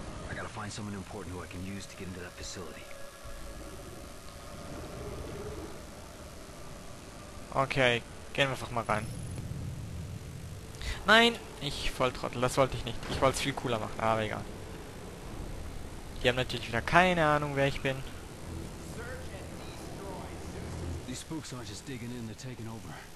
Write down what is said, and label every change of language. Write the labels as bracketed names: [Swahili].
[English] I gotta find someone important who I can use to get into that facility. [German] Okay, gehen wir einfach mal rein. Nein, ich Volltrottel, das wollte ich nicht. Ich wollte es viel cooler machen, aber egal. Die haben natürlich wieder keine Ahnung, wer ich bin. [English] These spooks aren't just digging in, they're taking over.